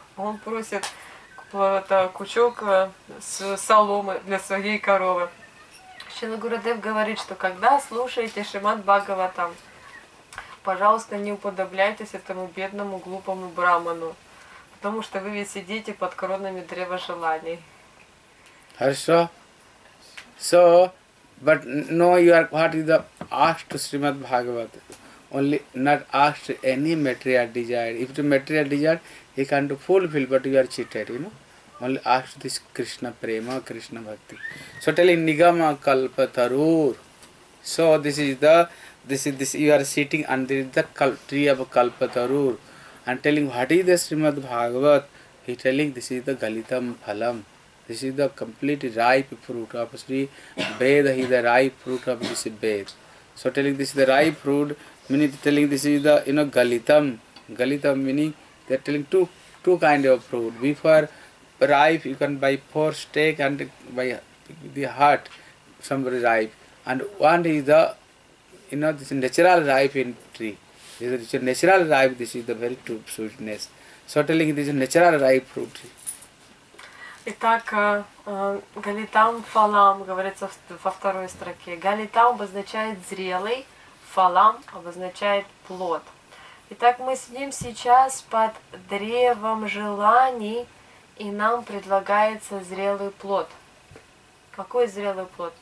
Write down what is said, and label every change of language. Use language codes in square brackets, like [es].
[ru] Он просит кучок соломы для своей коровы. Шрила Гурудев говорит, что когда слушаете Шримад Бхагаватам, пожалуйста, не уподобляйтесь этому бедному, глупому браману, потому что вы ведь сидите под кронами древа желаний. Хорошо. [en] So, but know you are what is the ask to Srimad Bhagavata. Only not ask to any material desire. If the material desire, he can do fulfill, but you are cheated, you know. Only ask to this Krishna Prema, Krishna Bhakti. So tell him, Nigama Kalpa Tarur. So this is you are sitting under the tree of Kalpa Tarur. And telling what is the Srimad Bhagavata, he telling this is the Galitam Phalam. This is the complete ripe fruit of Sri Veda. He is the ripe fruit of this Veda. So telling this is the ripe fruit, meaning telling this is the, you know, Galitam. Galitam meaning they are telling two kind of fruit. Before ripe, you can buy four steak and buy the heart, somebody ripe. And one is the, you know, this natural ripe in tree. This is natural ripe, this is the very true sweetness. So telling this is natural ripe fruit. [ru] Итак, галитам фалам говорится во второй строке. Галитам обозначает зрелый, фалам обозначает плод. Итак, мы сидим сейчас под древом желаний, и нам предлагается зрелый плод. Какой зрелый плод?